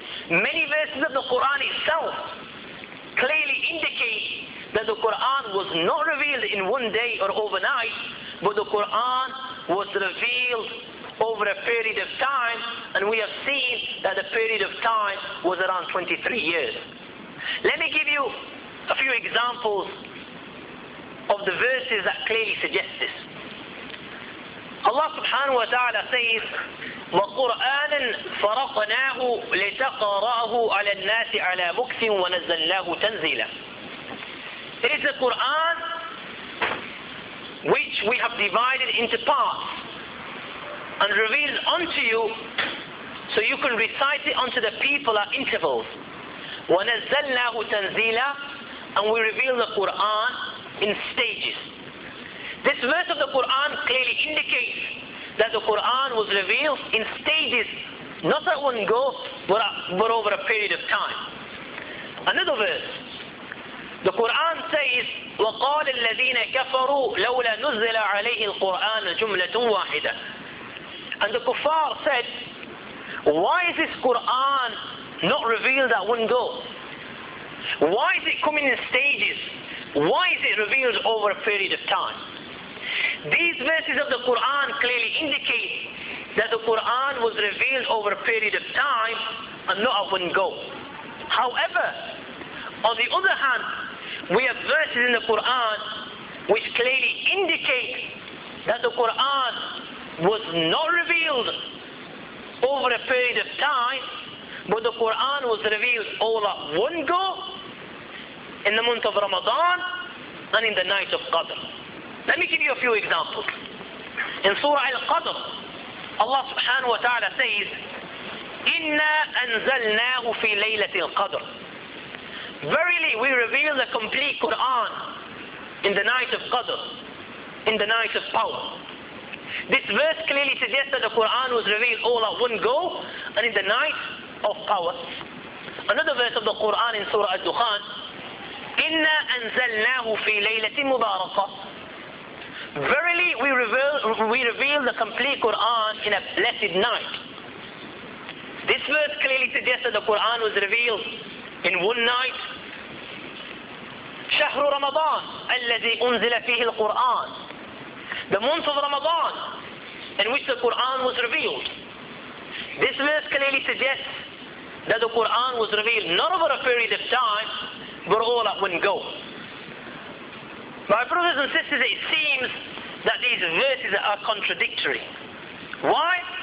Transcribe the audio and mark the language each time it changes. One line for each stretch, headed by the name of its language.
English: Many verses of the Quran itself clearly indicate that the Quran was not revealed in one day or overnight, but the Quran was revealed over a period of time, and we have seen that the period of time was around 23 years. Let me give you a few examples of the verses that clearly suggest this. Allah subhanahu wa ta'ala says,
Arabic: وَقُرْآنًا فَرَقْنَاهُ لِتَقَرَأَهُ عَلَى النَّاسِ عَلَى مُكْثٍ وَنَزَّلْنَاهُ تَنْزِيلًا.
English: It is the Quran which we have divided into parts and revealed unto you so you can recite it unto the people at intervals.
Arabic: وَنَزَّلْنَاهُ تَنْزِيلًا.
English: And we reveal the Quran in stages. This verse of the Quran clearly indicates that the Quran was revealed in stages, not at one go, but over a period of time. Another verse. The Quran says,
Arabic: وَقَالَ الَّذِينَ كَفَرُوا لَوْلَا نُزِّلَ عَلَيْهِ الْقُرْآنَ جُمْلَةٌ وَاحِدَةٌ.
English: And the kuffar said, why is this Quran not revealed at one go? Why is it coming in stages? Why is it revealed over a period of time? These verses of the Quran clearly indicate that the Quran was revealed over a period of time and not at one go. However, on the other hand, we have verses in the Quran which clearly indicate that the Quran was not revealed over a period of time, but the Quran was revealed all at one go in the month of Ramadan and in the night of Qadr. Let me give you a few examples. In Surah Al-Qadr, Allah subhanahu wa ta'ala says,
Arabic: إنا أنزلناه في ليلة القدر.
English: Verily we reveal the complete Quran in the night of Qadr, in the night of power. This verse clearly suggests that the Quran was revealed all at one go and in the night of power. Another verse of the Quran in Surah Al-Dukhan,
Arabic: إنا أنزلناه في ليلة مباركة.
English: Verily we reveal the complete Quran in a blessed night. This verse clearly suggests that the Quran was revealed in one night.
Arabic: شهر رمضان الذي أنزل فيه القرآن.
English: The month of Ramadan in which the Quran was revealed. This verse clearly suggests that the Quran was revealed not over a period of time, but all at one go. My brothers and sisters, it seems that these verses are contradictory. Why?